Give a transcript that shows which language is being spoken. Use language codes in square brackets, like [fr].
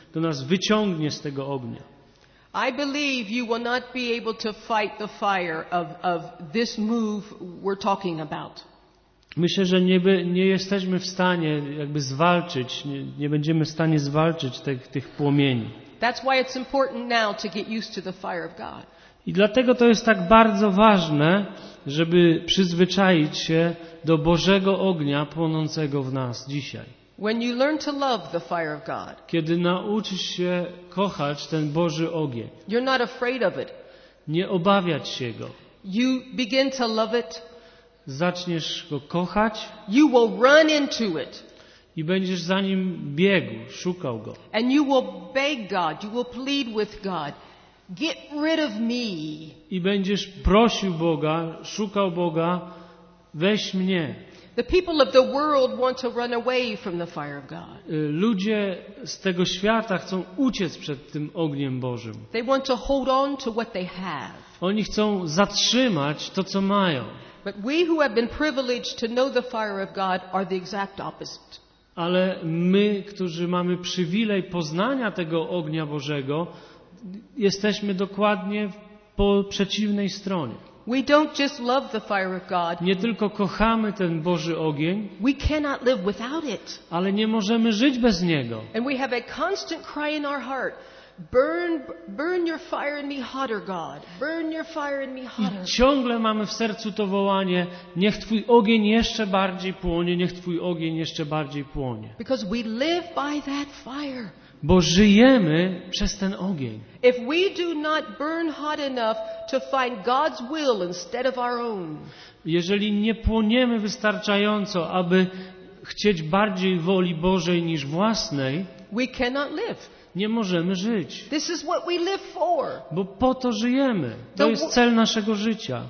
[pl] To nas wyciągnie z tego ognia. [en] I believe you will not be able to fight the fire of this move we're talking about. [pl] Myślę, że nie jesteśmy w stanie jakby zwalczyć, nie będziemy w stanie zwalczyć tych płomieni. [en] That's why it's important now to get used to the fire of God. [pl] I dlatego to jest tak bardzo ważne, żeby przyzwyczaić się do Bożego ognia płonącego w nas dzisiaj. [en] When you learn to love the fire of God, [pl] kiedy nauczysz się kochać ten Boży ogień, [en] you're not afraid of it. [pl] Nie obawiać się go. [en] You begin to love it. [pl] Zaczniesz go kochać. [en] You will run into it. [pl] I będziesz za nim biegł, szukał go. [en] And you will beg God, you will plead with God. Get rid of me. [pl] I będziesz prosił Boga, szukał Boga, weź mnie. [en] The people of the world want to run away from the fire of God. [pl] Ludzie z tego świata chcą uciec przed tym ogniem Bożym. [en] They want to hold on to what they have. [pl] Oni chcą zatrzymać to, co mają. [en] But we who have been privileged to know the fire of God are the exact opposite. [pl] Ale my, którzy mamy przywilej poznania tego ognia Bożego, jesteśmy dokładnie po przeciwnej stronie. [en] We don't just love the fire of God. [pl] Nie tylko kochamy ten Boży ogień. [en] We cannot live without it. [pl] Ale nie możemy żyć bez niego. [en] And we have a constant cry in our heart. Burn your fire in me hotter, God. Burn your fire in me hotter. [pl] I ciągle mamy w sercu to wołanie: niech twój ogień jeszcze bardziej płonie, niech twój ogień jeszcze bardziej płonie. [en] Because we live by that fire. [pl] Bo żyjemy przez ten ogień. [en] If we do not burn hot enough to find God's will instead of our own. [pl] Jeżeli nie płoniemy wystarczająco, aby chcieć bardziej woli Bożej niż własnej, [en] we cannot live. [pl] Nie możemy żyć. [en] This is what we live for. [pl] Bo po to żyjemy. To jest cel naszego życia.